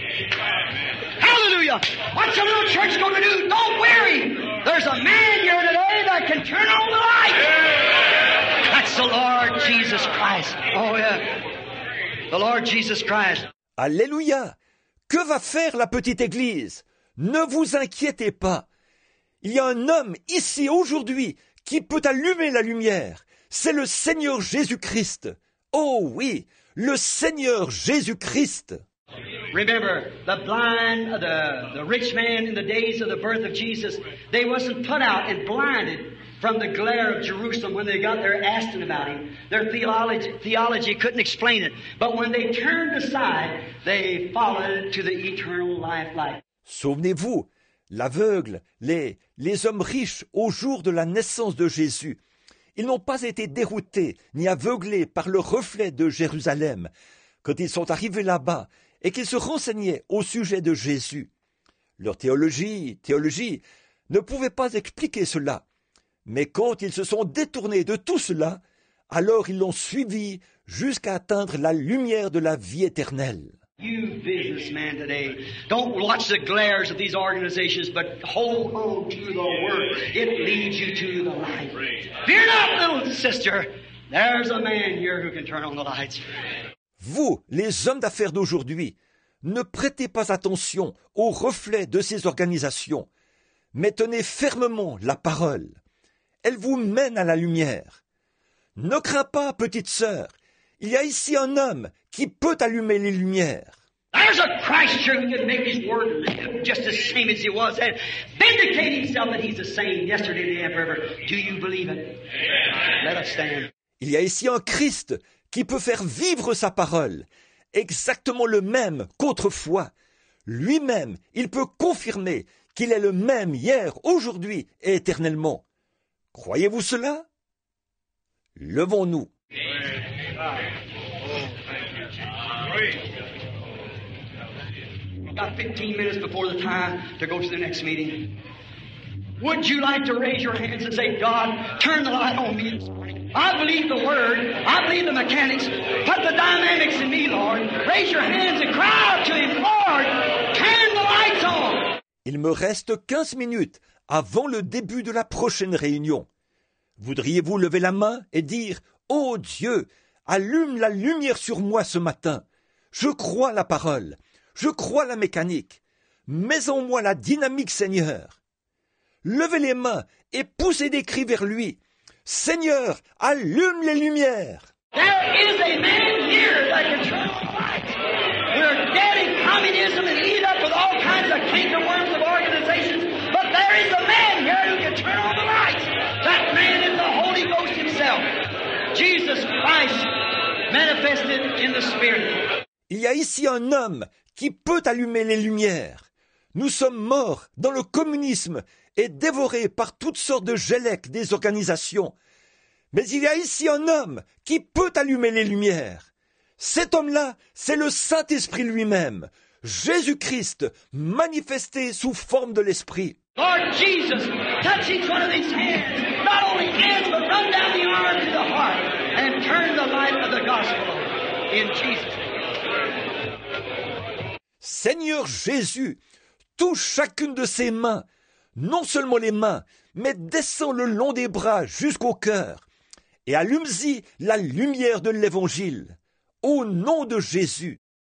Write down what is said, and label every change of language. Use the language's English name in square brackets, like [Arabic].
[English] Hallelujah! What's a little church going to do? Don't worry! There's a man here today that can turn on the light! That's the Lord Jesus Christ! Oh yeah! The Lord Jesus Christ! [French] Alléluia! Que va faire la petite église? Ne vous inquiétez pas. Il y a un homme ici aujourd'hui qui peut allumer la lumière. C'est le Seigneur Jésus-Christ. Oh oui, le Seigneur Jésus-Christ. [English] Remember, the blind, the rich man in the days of the birth of Jesus, they wasn't put out and blinded from the glare of Jerusalem when they got there asking about him. Their theology couldn't explain it. But when they turned aside, they followed to the eternal life light. [French] Souvenez-vous, l'aveugle, les hommes riches au jour de la naissance de Jésus, ils n'ont pas été déroutés ni aveuglés par le reflet de Jérusalem quand ils sont arrivés là-bas et qu'ils se renseignaient au sujet de Jésus. Leur théologie ne pouvait pas expliquer cela. Mais quand ils se sont détournés de tout cela, alors ils l'ont suivi jusqu'à atteindre la lumière de la vie éternelle. [English] You businessmen today, don't watch the glares of these organizations, but hold on to the word. It leads you to the light. Fear not, little sister. There's a man here who can turn on the lights. [French] Vous, les hommes d'affaires d'aujourd'hui, ne prêtez pas attention aux reflets de ces organisations, mais tenez fermement la parole. Elle vous mène à la lumière. Ne crains pas, petite sœur. Il y a ici un homme qui peut allumer les lumières. [English] There's a Christ here who can make his word live just the same as he was. And vindicate himself that he's the same yesterday, today, and forever. Do you believe it? Let us stand. [French] Il y a ici un Christ qui peut faire vivre sa parole, exactement le même qu'autrefois. Lui-même, il peut confirmer qu'il est le même hier, aujourd'hui et éternellement. Croyez-vous cela? Levons-nous. [English] About 15 minutes before the time to go to the next meeting. Would you like to raise your hands and say, God, turn the light on me this morning? I believe the word. I believe the mechanics. Put the dynamics in me, Lord. Raise your hands and cry out to him, Lord, turn the lights on. [French] Il me reste 15 minutes avant le début de la prochaine réunion. Voudriez-vous lever la main et dire, ô Dieu, allume la lumière sur moi ce matin. Je crois la parole. Je crois la mécanique. Mets en moi la dynamique, Seigneur. Levez les mains et poussez des cris vers lui. Seigneur, allume les lumières. [English] There is a man here that can turn the light. We're dead in communism and eat up with all kinds of kingdom worms of organizations. But there is a man here who can turn on the light. That man is the Holy Ghost himself. Jesus Christ manifested in the Spirit. [French] Il y a ici un homme qui peut allumer les lumières. Nous sommes morts dans le communisme et dévorés par toutes sortes de gelecs des organisations. Mais il y a ici un homme qui peut allumer les lumières. Cet homme-là, c'est le Saint-Esprit lui-même, Jésus-Christ, manifesté sous forme de l'Esprit. [English] Lord Jesus, touch each one of these hands, not only hands, but run down the arm to the heart and turn the light of the gospel in Jesus. [French] Seigneur Jésus, touche chacune de ses mains, non seulement les mains, mais descends le long des bras jusqu'au cœur et allume-y la lumière de l'Évangile. Au nom de Jésus.